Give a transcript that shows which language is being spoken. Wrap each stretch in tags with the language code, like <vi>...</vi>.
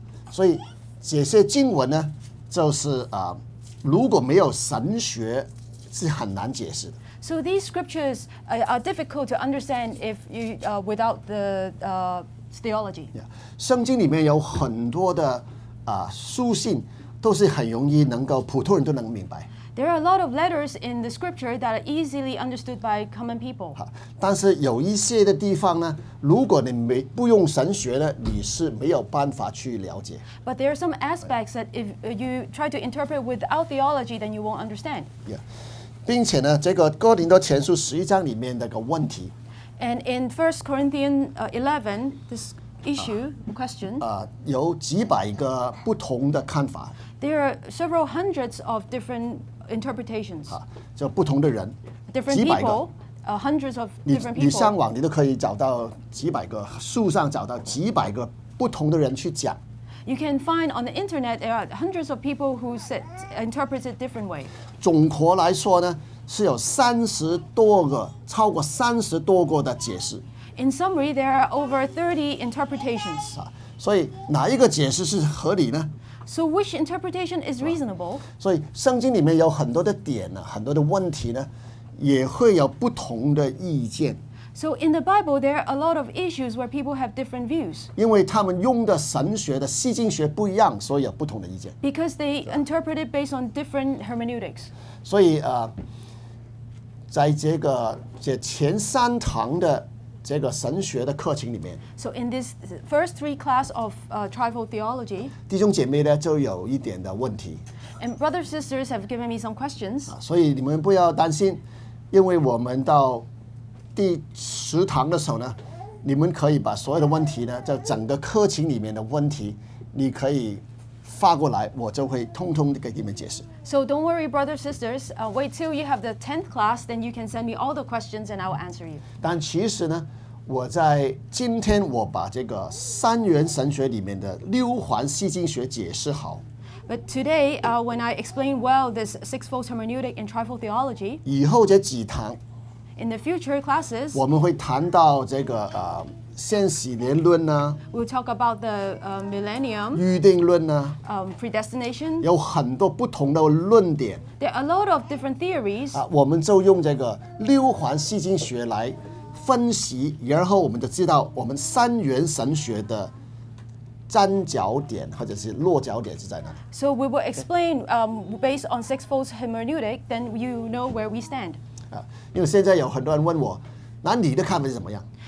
<zh>所以这些经文呢，就是如果没有神学，是很难解释的。</zh> <en>So these scriptures are difficult to understand if you without the theology。</en> <zh>圣经里面有很多的书信。都是很容易能够普通人都能明白。</zh> <en>There are a lot of letters in the scripture that are easily understood by common people.</en> <zh>但是有一些的地方呢，如果你没不用神学呢，你是没有办法去了解。</zh> <en>But there are some aspects that if you try to interpret without theology, then you won't understand. Yeah.</en> <zh>并且呢，这个哥林多前书十一章里面的个问题。</zh> <en>And in 1 Corinthians 11, this. Issue question.</en> <zh>有几百个不同的看法。</zh> <en>There are several hundreds of different interpretations.</en> <zh>就不同的人。</zh> <en>Different people. Hundreds of different people.</en> <zh>你上网你都可以找到几百个，书上找到几百个不同的人去讲。</zh> <en>You can find on the internet there are hundreds of people who said interpreted different way.</en> <zh>总括来说呢，是有三十多个，超过三十多个的解释。</zh> <en>In summary, there are over 30 interpretations.</en> <zh>所以哪一个解释是合理呢</zh> <en>？So which interpretation is reasonable?</en> <zh>所以圣经里面有很多的点呢，很多的问题呢，也会有不同的意见。</zh> <en>So in the Bible, there are a lot of issues where people have different views.</en> <zh>因为他们用的神学的释经学不一样，所以有不同的意见。</zh> <en>Because they interpret it based on different hermeneutics.</en> <zh>所以在这个这前三堂的。这个神学的课程里面</zh> <en>，So in this first three class of trifold theology，</en> <zh>弟兄姐妹呢就有一点的问题</zh> <en>，And brothers and sisters have given me some questions。</en> <zh>所以你们不要担心，因为我们到第十堂的时候呢，你们可以把所有的问题呢，在整个课程里面的问题，你可以发过来，我就会通通给你们解释。</zh> <en>So don't worry, brothers and sisters. Wait till you have the 10th class, then you can send me all the questions and I will answer you.</en> <zh>但其实呢，我在今天我把这个三元神学里面的六环释经学解释好。</zh> <en>But today, when I explain well this sixfold hermeneutic and trifold theology,</en> <zh>以后这几堂</zh> <en>，in the future classes,</en> <zh>我们会谈到这个先禧年论呢</zh> <en>？We'll talk about the millennium.</en> <zh>预定论呢</zh> <en>？Predestination.</en> <zh>有很多不同的论点。</zh> <en>There are a lot of different theories.</en> <zh>我们就用这个六环释经学来分析，然后我们就知道我们三元神学的站脚点或者是落脚点是在哪里。</zh> <en>So we will explain, based on sixfold hermeneutic, then you know where we stand.</en> <zh>因为现在有很多人问我，那你的看法是怎么样？</zh>